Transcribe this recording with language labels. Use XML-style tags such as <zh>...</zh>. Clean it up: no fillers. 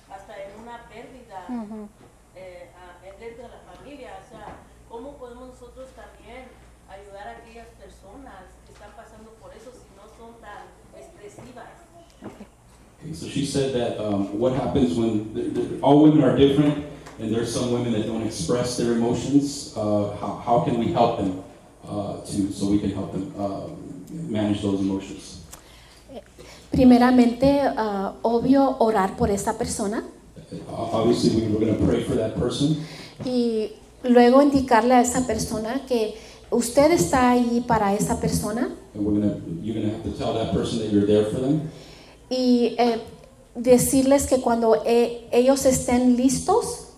<es>Hasta en una pérdida, uh-huh, dentro de la familia. O sea, ¿cómo podemos nosotros también ayudar a aquellas personas que están pasando por eso si no son tan expresivas?</es> <en>Okay, so she said that what happens when all women are different and there's some women that don't express their emotions, how can we help them so we can help them manage those emotions?</en> <es>Primeramente, obvio, orar por esa persona.</es> <en>Obviously, we were going to pray for that person.</en> <es>Y luego indicarle a esa persona que usted está ahí para esa persona.</es> <en>You're going to have to tell that person that you're there for them.</en> <es>Y decirles que cuando ellos estén listos.</es>